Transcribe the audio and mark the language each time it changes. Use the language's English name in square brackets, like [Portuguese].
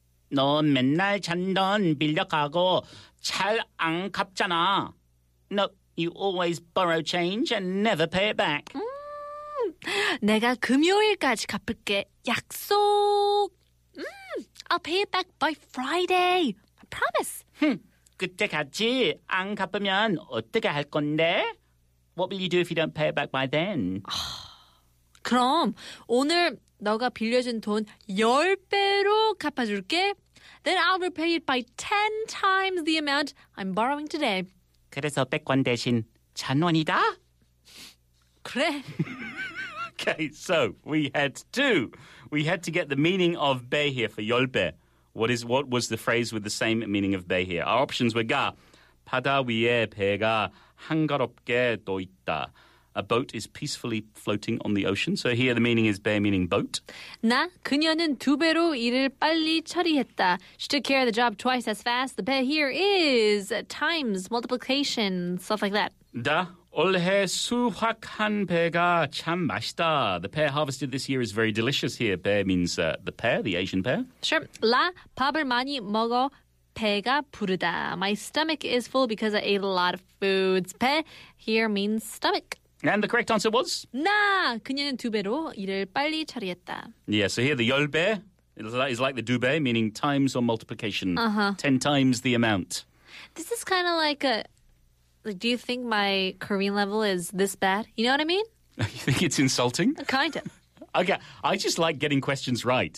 [Korean] 너 맨날 잔돈 빌려가고 잘 안 갚잖아. [English] No, you always borrow change and never pay it back. [Korean] 내가 금요일까지 갚을게. [English] 약속! I'll pay it back by Friday. I promise. [Korean] 그때 같이 안 갚으면 어떻게 할 건데? [English] What will you do if you don't pay it back by then? [Korean] 그럼 오늘 너가 빌려준 돈 10배로 갚아줄게. [English] Then I'll repay it by 10 times the amount I'm borrowing today. [Korean] 그래서 100원 대신 1,000원이다? 그래. [English] Okay, so we had to get the meaning of 배 here for 10배. What was the phrase with the same meaning of 배 here? Our options were 가, [Korean] 바다 위에 배가 한가롭게 떠 있다. [English] A boat is peacefully floating on the ocean. So here the meaning is 배 meaning boat. [Korean] 나 그녀는 두 배로 일을 빨리 처리했다. [English] She took care of the job twice as fast. The 배 here is times, multiplication, stuff like that. [Korean] 다 올해 수확한 배가 참 맛있다. [English] The pear harvested this year is very delicious here. Pear means the pear, the Asian pear. Sure. [Korean] 라 밥을 많이 먹어 배가 부르다. [English] My stomach is full because I ate a lot of foods. 배 here means stomach. And the correct answer was? [Korean] 나 그녀는 두 배로 일을 빨리 처리했다. [English] Yeah, so here the 열 배 is like the 두 배, meaning times or multiplication. Uh-huh. 10 times the amount. This is kind of like a... Like, do you think my Korean level is this bad? You know what I mean? You think it's insulting? Kind of. Okay, I just like getting questions right.